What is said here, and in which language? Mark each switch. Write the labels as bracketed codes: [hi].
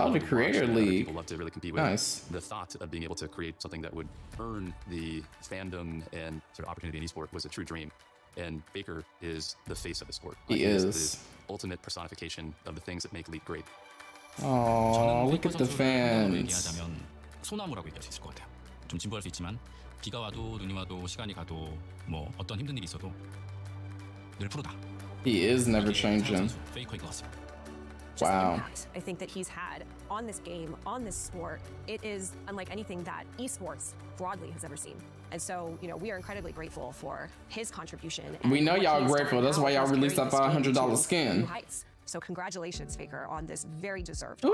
[en] Oh, the Creator League. People love to really compete with. Nice. The thought of being able to create something that would earn the fandom and sort of opportunity in esports was a true dream. And Faker is the face of the sport. He is. Ultimate personification of the things that make League great. Aww, look at the fans. [ko] 얘기하자면 소나무라고 얘기할 수 있을 것 같아요. 좀 진보할 수 있지만 비가 와도 눈이 와도 시간이 가도 뭐 어떤 힘든 일이 있어도 늘 프로다. [en] He is never changing. [ko] Faker 이거 같습니다. [en] Wow. Just the impact I think that he's had on this game, on this sport, it is unlike anything that esports broadly has ever seen. And so, you know, we are incredibly grateful for his contribution. We know y'all grateful. That's why y'all released that $500 skin. So congratulations, Faker, on this very deserved.